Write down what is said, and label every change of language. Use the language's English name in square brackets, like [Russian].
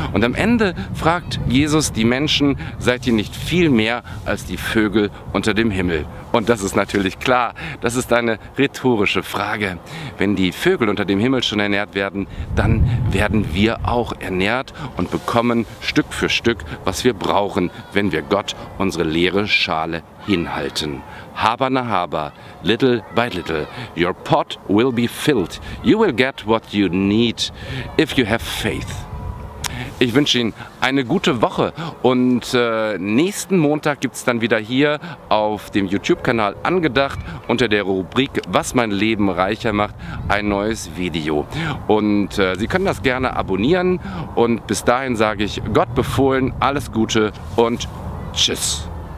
[German] Und am Ende fragt Jesus die Menschen: Seid ihr nicht viel mehr als die Vögel unter dem Himmel? Und das ist natürlich klar, das ist eine rhetorische Frage. Wenn die Vögel unter dem Himmel schon ernährt werden, dann werden wir auch ernährt und bekommen Stück für Stück, was wir brauchen, wenn wir Gott unsere leere Schale hinhalten. [English] Haber na Haber, little by little, your pot will be filled. You will get what you need if you have faith. [German] Ich wünsche Ihnen eine gute Woche, und nächsten Montag gibt es dann wieder hier auf dem YouTube-Kanal Angedacht unter der Rubrik Was mein Leben reicher macht ein neues Video. Und Sie können das gerne abonnieren, und bis dahin sage ich Gott befohlen, alles Gute und Tschüss.